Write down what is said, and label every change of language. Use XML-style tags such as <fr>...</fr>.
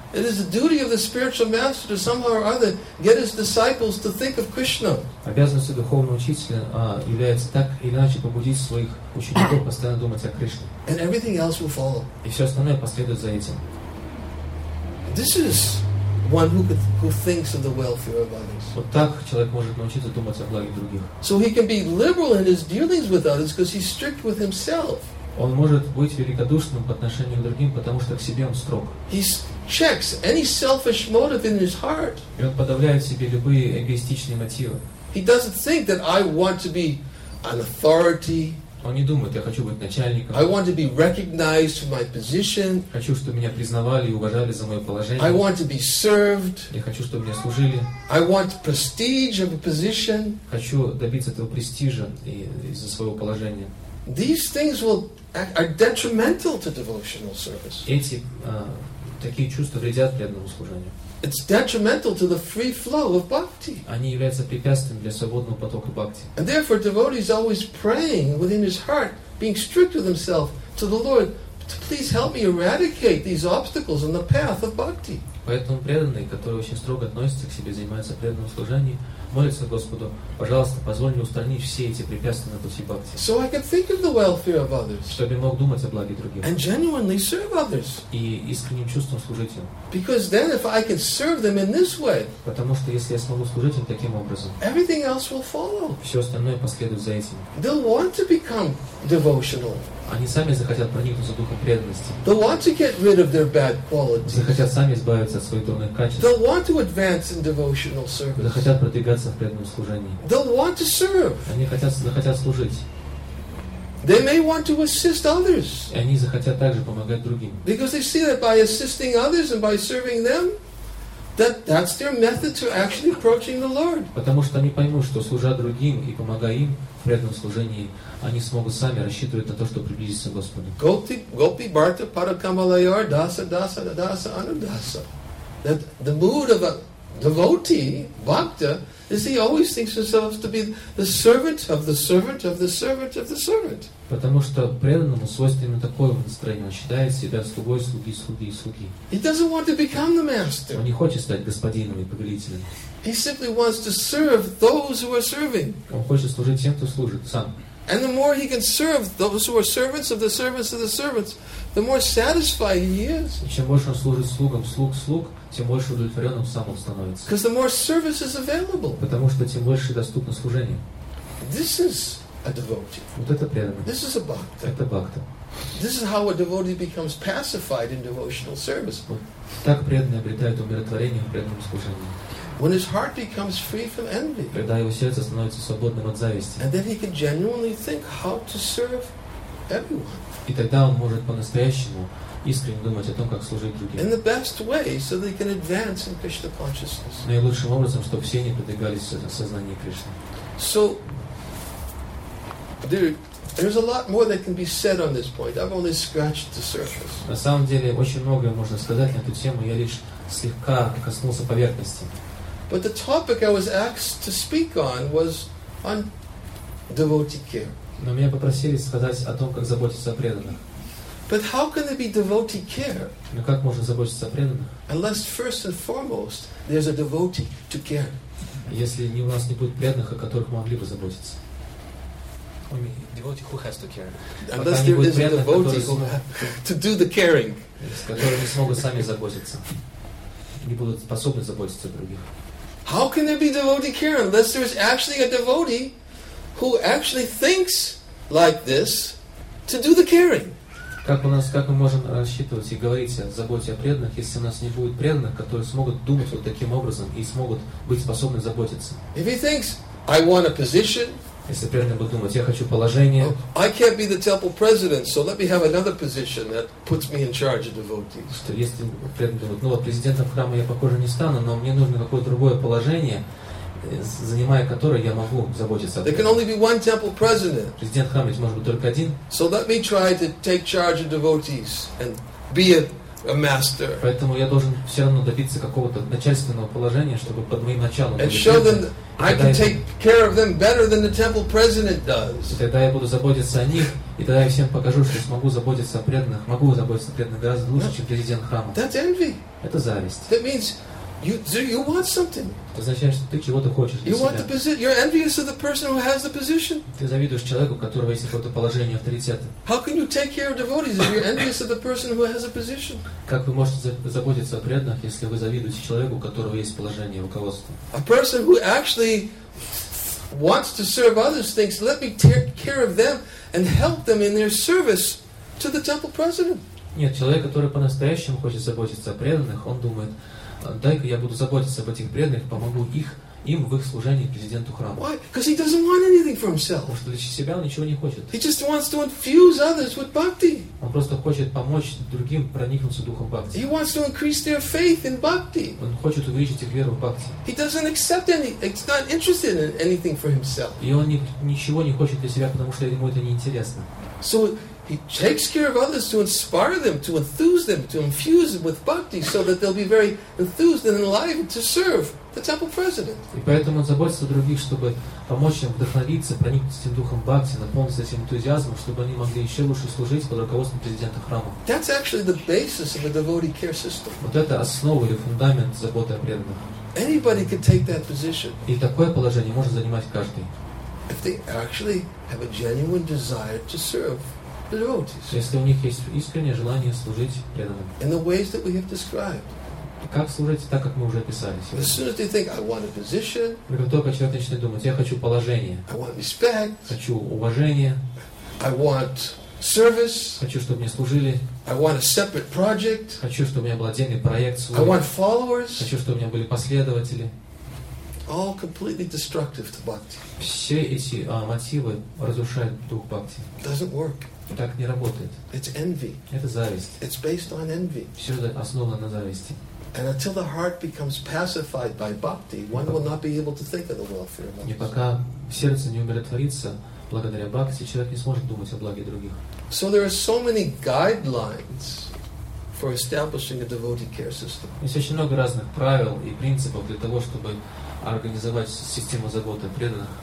<en>It is the duty of the spiritual master to somehow or other get his disciples to think of Krishna.</en> <ru>Обязанность духовного учителя является так или иначе побудить своих учеников постоянно думать о Кришне.</ru> <en>And everything else will follow.</en> <ru>И все остальное последует за этим.</ru> <en>This is one who thinks of the welfare of others.</en> <ru>Вот так человек может научиться думать о благе других.</ru> <en>So he can be liberal in his dealings with others because he's strict with himself.</en> <ru>Он может быть великодушным по отношению к другим, потому что к себе он строг.</ru> <en>He checks any selfish motive in his heart.</en> <ru>И он подавляет в себе любые эгоистичные мотивы.</ru> <en>He doesn't think that I want to be an authority.</en> <ru>Он не думает, я хочу быть начальником.</ru> <en>I want to be recognized for my position.</en> <ru>Хочу, чтобы меня признавали и уважали за мое положение.</ru> <en>I want to be served.</en> <ru>Я хочу, чтобы мне служили.</ru> <en>I want prestige of a position.</en> <ru>Хочу добиться этого престижа из-за своего положения.</ru> <en>These things will are detrimental to devotional service.</en> <ru>Эти такие чувства вредят преданному служению.</ru> <en>It's detrimental to the free flow of bhakti.</en> <ru>Они являются препятствием для свободного потока бхакти.</ru> <en>And therefore, devotee is always praying within his heart, being strict with himself to the Lord, to please help me eradicate these obstacles on the path of bhakti.</en> <ru>Поэтому преданный, который очень строго относится к себе, занимается преданным служением, молится Господу, пожалуйста, позволь мне устранить все эти препятствия на пути бхакти.</ru> <en>So I can think of the welfare of others.</en> <ru>Чтобы я мог думать о благе других.</ru> <en>And genuinely serve others.</en> <ru>И искренним чувством служить им.</ru> <en>Because then if I can serve them in this way.</en> <ru>Потому что если я смогу служить им таким образом.</ru> <en>Everything else will follow.</en> <ru>Все остальное последует за этим.</ru> <en>They'll want to become devotional.</en> <ru>Они сами захотят проникнуться духом преданности.</ru> <en>They'll want to get rid of their bad qualities.</en> <ru>Захотят сами избавиться от своих дурных качеств.</ru> <en>They'll want to advance in devotional service.</en> <ru>Захотят продвигаться в преданном служении.</ru> <en>They'll want to serve.</en> <ru>Они захотят служить.</ru> <en>They may want to assist others.</en> <ru>И они захотят также помогать другим.</ru> <en>Because they see that by assisting others and by serving them, that's their method to actually approaching the Lord.</en> <ru>Потому что они поймут, что служа другим и помогая им в преданном служении, они смогут сами рассчитывать на то, чтобы приблизиться к Господу.</ru> <sa>Gopi Bharta Parakamalayar Dasa Dasa Dasa Anudasa.</sa> <en>That the mood of a devotee, bhakta, is he always thinks himself to be the servant of the servant of the servant of the servant.</en> <ru>Потому что преданному свойственно такое настроение. Он считает себя слугой, слуги, слуги, слуги.</ru> <en>He doesn't want to become the master.</en> <ru>Он не хочет стать господином и повелителем.</ru> <en>He simply wants to serve those who are serving.</en> <ru>Он хочет служить тем, кто служит сам.</ru> <en>And the more he can serve those who are servants of the servants of the servants, the more satisfied he is.</en> <ru>Чем больше он служит слугам, слуг, слуг, тем больше удовлетворенным сам он становится.</ru> <en>Because the more service is available.</en> <ru>Потому что тем больше доступно служение.</ru> <en>This is a devotee.</en> <ru>Вот это преданный.</ru> <en>This is a bhakta.</en> <ru>Это бхакта.</ru> <en>This is how a devotee becomes pacified in devotional service.</en> <ru>Так преданный обретает умиротворение в преданном служении.</ru> <en>When his heart becomes free from envy,</en> <ru>когда его сердце становится свободным от зависти,</ru> <en>and then he can genuinely think how to serve everyone,</en> <ru>и тогда он может по-настоящему искренне думать о том, как служить другим,</ru> <en>in the best way, so they can advance in Krishna consciousness,</en> <ru>наилучшим образом, чтобы все они продвигались в сознании Кришны.</ru> <en>So there's a lot more that can be said on this point. I've only scratched the surface.</en> <ru>На самом деле очень многое можно сказать на эту тему. Я лишь слегка коснулся поверхности.</ru> <en>But the topic I was asked to speak on was on devotee care.</en> <ru>Но меня попросили сказать о том, как заботиться о преданных.</ru> <en>But how can there be devotee care?</en> <ru>Но как можно заботиться о преданных?</ru> <en>Unless first and foremost there's a devotee to care.</en> <ru>Если у вас не будет преданных, о которых могли бы заботиться.</ru> <en>Devotee who has to care. Unless there is a devotee to do the caring.</en> <ru>Которые не смогут сами заботиться, не будут способны заботиться о других.</ru> <en>How can there be devotee care unless there is actually a devotee who actually thinks like this to do the caring?</en> <ru>Как у нас, как мы можем рассчитывать и говорить о заботе о преданных, если у нас не будет преданных, которые смогут думать вот таким образом и смогут быть способны заботиться?</ru> <en>If he thinks, I want a position.</en> <ru>Если преданный будет думать, я хочу положение.</ru> <en>Oh, I can't be the temple president, so let me have another position that puts me in charge of devotees.</en> <ru>Что если преданный думает, ну вот президентом храма я похоже не стану, но мне нужно какое-то другое положение, занимая которое я могу заботиться.</ru> <en>There can only be one temple president.</en> <ru>Президент храма может быть только один.</ru> <en>So let me try to take charge of devotees and be a master.</en> <ru>Поэтому я должен все равно добиться какого-то начальственного положения, чтобы под моим началом.</ru> <en>And show them I can take care of them better than the temple president does.</en> <ru>И тогда я буду заботиться о них, и тогда я всем покажу, что смогу заботиться о преданных, могу заботиться о преданных гораздо лучше, чем президент храма.</ru> <en>That's envy.</en> <ru>Это зависть.</ru> <en>That means you want something.</en> <ru>Это означает, что ты чего-то хочешь для себя.</ru> <en>You want the position. You're envious of the person who has the position.</en> <ru>Ты завидуешь человеку, у которого есть какое-то положение, авторитет.</ru> <en>How can you take care of devotees if you're envious of the person who has a position?</en> <ru>Как вы можете заботиться о преданных, если вы завидуете человеку, у которого есть положение, руководство?</ru> <en>A person who actually wants to serve others thinks, let me take care of them and help them in their service to the temple president.</en> <ru>Нет, человек, который по-настоящему хочет заботиться о преданных, он думает: дай-ка я буду заботиться об этих преданных, помогу им в их служении президенту храма.</ru> <en>Why? Because he doesn't want anything for himself.</en> <ru>Потому что для себя он ничего не хочет.</ru> <en>He just wants to infuse others with bhakti.</en> <ru>Он просто хочет помочь другим проникнуться духом бхакти.</ru> <en>He wants to increase their faith in bhakti.</en> <ru>Он хочет увеличить их веру в бхакти.</ru> <en>He doesn't accept any. He's not interested in anything for himself.</en> <ru>И он ничего не хочет для себя, потому что ему это не интересно.</ru> <en>So he takes care of others to inspire them, to enthuse them, to infuse them with bhakti, so that they'll be very enthused and enlivened to serve the temple president.</en> <ru>И поэтому он заботится о других, чтобы помочь им вдохновиться, проникнуться этим духом бхакти, наполниться этим энтузиазмом, чтобы они могли еще лучше служить под руководством президента храма.</ru> <en>That's actually the basis of a devotee care system.</en> <ru>Вот это основа или фундамент заботы о преданных.</ru> <en>Anybody can take that position.</en> <ru>И такое положение может занимать каждый.</ru> <en>If they actually have a genuine desire to serve.</en> <ru>Если у них есть искреннее желание служить преданным.</ru> <en>In the ways that we have described.</en> <ru>Как служить так, как мы уже описали сегодня.</ru> <en>As soon as they think, I want a position.</en> <ru>Но как только человек начинает думать, я хочу положение.</ru> <en>I want respect.</en> <ru>Хочу уважение.</ru> <en>I want service.</en> <ru>Хочу, чтобы мне служили.</ru> <en>I want a separate project.</en> <ru>Хочу, чтобы у меня был отдельный проект свой.</ru> <en>I want followers.</en> <ru>Хочу, чтобы у меня были последователи.</ru> <en>All completely destructive to bhakti.</en> <ru>Все эти мотивы разрушают дух бхакти.</ru> <en>Doesn't work.</en> <ru>Так не работает.</ru> <en>It's envy.</en> <ru>Это зависть.</ru> <en>It's based on envy.</en> <ru>Все это основано на зависти.</ru> <en>And until the heart becomes pacified by bhakti, one will not be able to think of the welfare of others.</en> <ru>И пока сердце не умиротворится благодаря бхакти, человек не сможет думать о благе других.</ru> <en>So there are so many guidelines for establishing a devotee care system.</en> <ru>Есть очень много разных правил и принципов для того, чтобы организовать систему заботы о преданных.</ru>